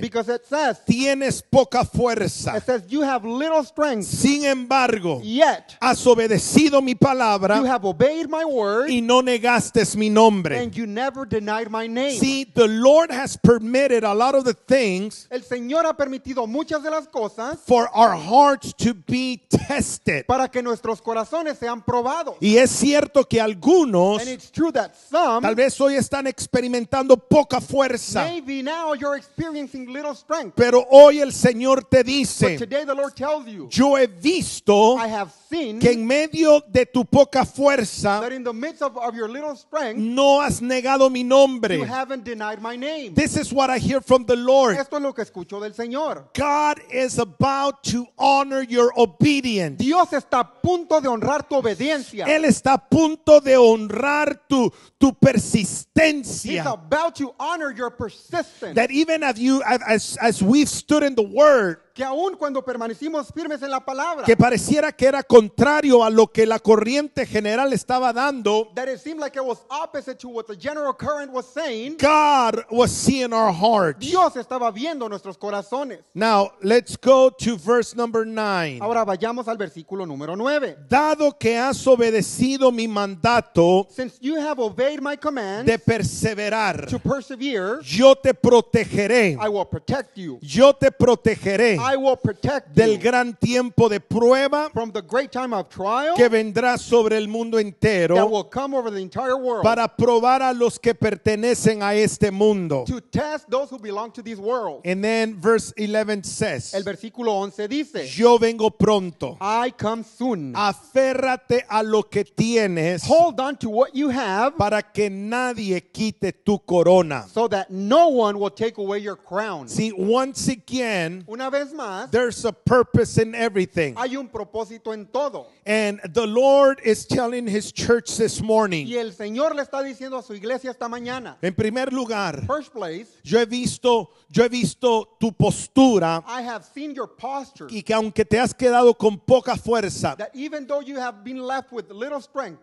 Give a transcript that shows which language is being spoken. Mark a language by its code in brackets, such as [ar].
[en] because it says, [es] tienes poca fuerza. [en] It says, you have little strength. [es] Sin embargo, [en] yet, [es] has obedecido mi palabra. [en] You have obeyed my word. [es] Y no negaste mi nombre. [en] And you never denied my name. See, the Lord has permitted a lot of the things. [es] El Señor ha permitido muchas de las cosas. [en] For our hearts to be tested. [es] Para que nuestros corazones sean probados. Y es cierto que algunos. [en] And it's true that some. [es] Tal vez hoy están experimentando poca fuerza. [en] Maybe now you're experiencing little strength. [es] Pero hoy el Señor te dice, [en] but today the Lord tells you, [es] yo he visto, [en] I have seen, [es] que en medio de tu poca fuerza, [en] that in the midst of your little strength, [es] no has negado mi nombre. [en] You haven't denied my name. This is what I hear from the Lord. [es] Esto es lo que escucho del Señor. [en] God is about to honor your obedience. [es] Dios está a punto de honrar tu obediencia. Él está a punto de honrar tu persistencia. [en] He's about to honor your persistence. That even as we've stood in the word, [es] que aun cuando permanecimos firmes en la palabra, que pareciera que era contrario a lo que la corriente general estaba dando, [en] that it seemed like it was opposite to what the general current was saying, God was seeing our hearts. [es] Dios estaba viendo nuestros corazones. [en] Now let's go to verse number 9. [es] Ahora vayamos al versículo número 9. Dado que has obedecido mi mandato, [en] since you have obeyed my command, [es] de perseverar, [en] to persevere, [es] yo te protegeré, [en] I will protect you, [es] yo te protegeré, [en] I will protect [es] del gran tiempo de prueba, [en] from the great time of trial, [es] que vendrá sobre el mundo entero, [en] that will come over the entire world, [es] para probar a los que pertenecen a este mundo, [en] to test those who belong to this world. And then verse 11 says, [es] el versículo 11 dice, yo vengo pronto, [en] I come soon, [es] aférrate a lo que tienes, [en] hold on to what you have, [es] para que nadie quite tu corona, [en] so that no one will take away your crown. See, once again, [es] una vez más, [en] there's a purpose in everything. [es] Hay un propósito en todo. [en] And the Lord is telling his church this morning. [es] Y el Señor le está diciendo a su iglesia esta mañana. En primer lugar, [en] first place, [es] yo he visto tu postura. [en] I have seen your posture. [es] Y que aunque te has quedado con poca fuerza, [en] that even though you have been left with little strength,